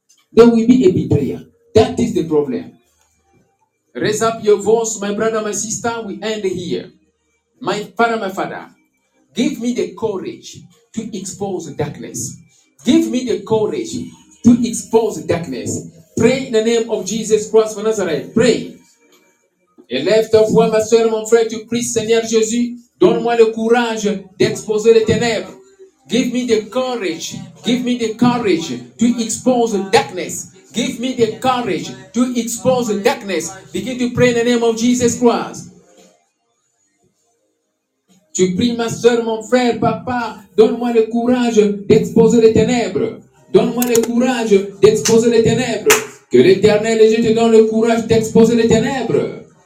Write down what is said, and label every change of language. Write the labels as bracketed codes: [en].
[en] There will be a betrayer. That is the problem. Raise up your voice, my brother, my sister. We end here. My father, give me the courage to expose darkness. Give me the courage to expose darkness. Pray in the name of Jesus Christ of Nazareth. Pray. [fr] Élève-toi, ma soeur, mon frère, tu pries, Seigneur Jésus. Donne-moi le courage d'exposer les ténèbres. [en] Give me the courage. Give me the courage to expose darkness. Give me the courage to expose darkness. Begin to pray in the name of Jesus Christ. [fr] Tu pries, ma soeur, mon frère, papa, donne-moi le courage d'exposer les ténèbres. Donne-moi le courage d'exposer les ténèbres. Que l'Éternel Dieu te donne le courage d'exposer les ténèbres.